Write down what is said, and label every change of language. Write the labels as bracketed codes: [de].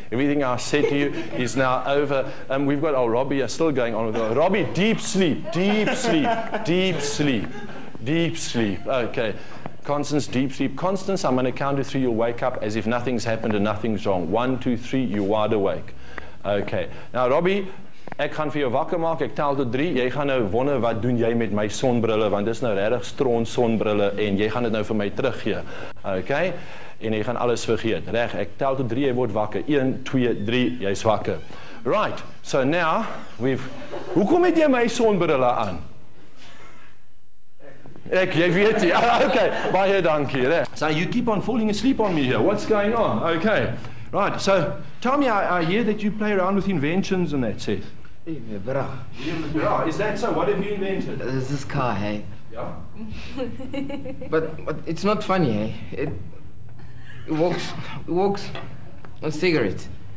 [en] Everything I said to you is now over. We've got Robbie is still going on with Robbie, deep sleep. Deep sleep. Deep sleep. Deep sleep. Okay. Constance, deep sleep. Constance, I'm going to count to three. You'll wake up as if nothing's happened and nothing's wrong. One, two, three. You're wide awake. Okay. [af] Now, Robbie, ek gaan vir jou wakker maak, ek tel tot 3, jy gaan nou wonder wat doen jy met my sonbrille, want dis nou regtig stront sonbrille, en jy gaan dit nou vir my teruggee, okay, en jy gaan alles vergeet, reg, ek tel tot 3, jy word wakker, 1, 2, 3, jy is wakker, [en] right, so now, [af] hoekom het jy my sonbrille aan? Ek, jy weet jy, okay, baie dankie, reg. [en] So you keep on falling asleep on me here, what's going on, okay. Right, so tell me, I hear that you play around with inventions and that, Seth. Yeah, bra. Is that so? What have you invented? There's this car, hey? Yeah. but it's not funny, hey? It walks on cigarettes.